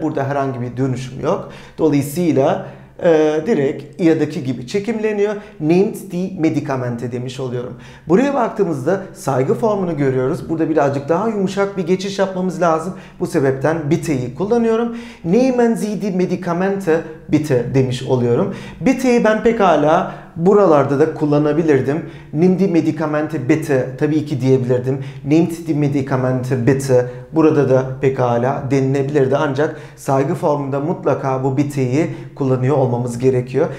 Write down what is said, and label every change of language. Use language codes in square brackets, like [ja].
[tr] Burada herhangi bir dönüşüm yok. Dolayısıyla direkt ya'daki gibi çekimleniyor. [de] Named die Medikamente [tr] demiş oluyorum. Buraya baktığımızda saygı formunu görüyoruz. Burada birazcık daha yumuşak bir geçiş yapmamız lazım. Bu sebepten bitte'yi kullanıyorum. [de] Nehmen Sie die Medikamente bitte [tr] demiş oluyorum. Bitte'yi ben pekala buralarda da kullanabilirdim. [de] Nimm die Medikamente bitte [tr] tabii ki diyebilirdim. [de] Nimm die Medikamente bitte [tr] burada da pekala denilebilirdi. Ancak saygı formunda mutlaka bu bitte'yi kullanıyor olmamız gerekiyor.